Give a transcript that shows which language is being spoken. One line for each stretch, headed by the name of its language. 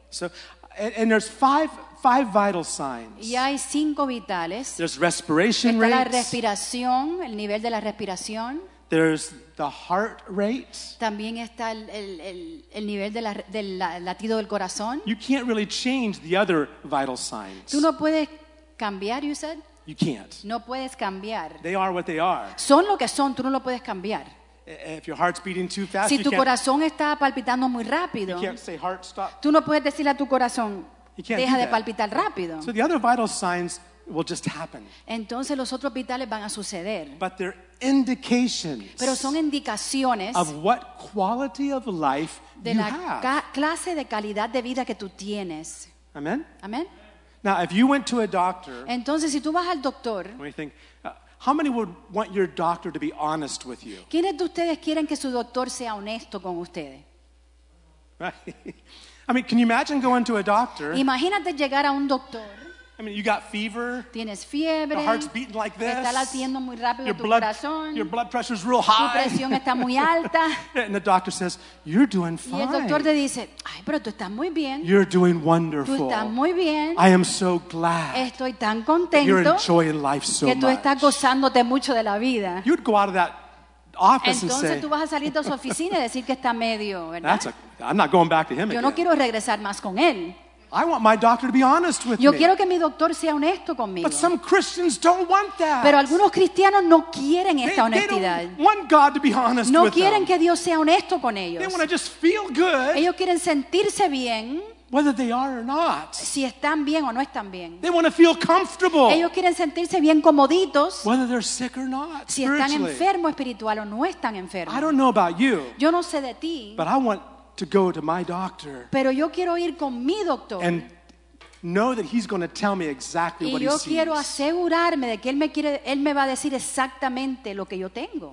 English: So, and there's five vital signs.
Spanish: Y hay cinco vitales.
English: There's respiration
Spanish: está
English: rates.
Spanish: La respiración, el nivel de la respiración.
English: There's the heart rate.
Spanish: También está el nivel del latido del corazón.
English: You can't really change the other vital signs.
Spanish: Tú no puedes cambiar,
English: you said? You can't.
Spanish: No puedes cambiar.
English: They are what they are.
Spanish: Son lo que son, tú no lo puedes cambiar.
English: If your heart's beating too fast,
Spanish: si tu corazón está palpitando muy rápido,
English: you can't say heart stop.
Spanish: Tú no puedes decirle a tu corazón, deja de palpitar rápido.
English: So the other vital signs will just happen.
Spanish: Entonces los otros vitales van a suceder.
English: But they're indications.
Spanish: Pero son indicaciones
English: of what quality of life you have.
Spanish: De la clase de calidad de vida que tú tienes.
English: Amen.
Spanish: Amen.
English: Now, if you went to a doctor,
Spanish: entonces si tú vas al doctor,
English: what do you think? How many would want your doctor to be honest with you?
Spanish: ¿Quiénes de ustedes quieren que su doctor sea honesto con ustedes?
English: Right. I mean, can you imagine going to a doctor?
Spanish: Imagínate llegar a un doctor.
English: I mean, you got fever.
Spanish: Tienes fiebre.
English: The heart's beating like this.
Spanish: Está latiendo muy rápido tu corazón.
English: Your blood pressure's real high.
Spanish: Tu presión está muy alta.
English: And the doctor says, "You're doing fine."
Spanish: Y el doctor te dice, "Ay, pero tú estás muy bien."
English: You're doing wonderful.
Spanish: Tú estás muy bien.
English: I am so glad.
Spanish: Estoy tan contento.
English: You're enjoying life so much.
Spanish: Que tú estás gozándote mucho de la vida.
English: You'd go out of that office
Spanish: entonces,
English: and say,
Spanish: tú vas a salir de su oficina y decir que está medio, ¿verdad?
English: That's a, I'm not going back to him
Spanish: Yo
English: again.
Spanish: No quiero regresar más con él.
English: I want my doctor to be honest with
Spanish: Yo
English: me.
Spanish: Quiero que mi doctor sea honesto conmigo.
English: But some Christians don't want that.
Spanish: Pero algunos cristianos no quieren esta honestidad.
English: They don't want God to be honest
Spanish: no
English: with
Spanish: quieren Que Dios sea honesto con ellos.
English: They want to just feel good.
Spanish: Ellos quieren sentirse bien.
English: Whether they are or not.
Spanish: Si están bien o no están bien.
English: They want to feel comfortable.
Spanish: Ellos quieren sentirse bien comoditos.
English: Whether they're sick or not.
Spanish: Si están enfermos espiritual o no están enfermos.
English: I don't know about you.
Spanish: Yo no sé de ti.
English: But I want to go to my doctor.
Spanish: Pero yo quiero ir con mi doctor.
English: And know that he's going to tell me exactly
Spanish: y
English: what he sees.
Spanish: Y yo quiero asegurarme de que él me va a decir exactamente lo que yo tengo.